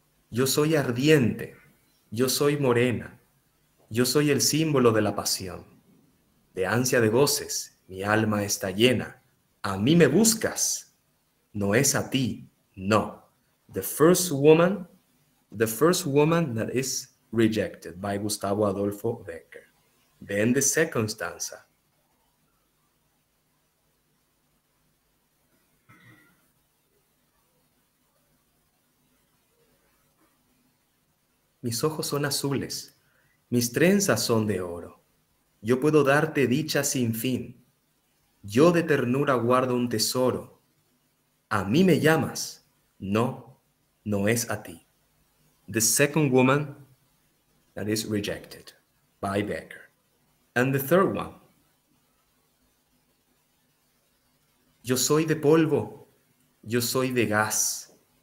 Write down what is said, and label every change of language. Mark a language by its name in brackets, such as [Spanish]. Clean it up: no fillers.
[Spanish] Yo soy ardiente, yo soy morena, yo soy el símbolo de la pasión, de ansia de goces, mi alma está llena, a mí me buscas, no es a ti, no. [English] The first woman that is rejected by Gustavo Adolfo Becquer. Then the second stanza. [Spanish] Mis ojos son azules, mis trenzas son de oro. Yo puedo darte dicha sin fin. Yo de ternura guardo un tesoro. A mí me llamas. No, no es a ti. [English] The second woman that is rejected by Becquer. And the third one. [Spanish] Yo soy de polvo, yo soy de gas.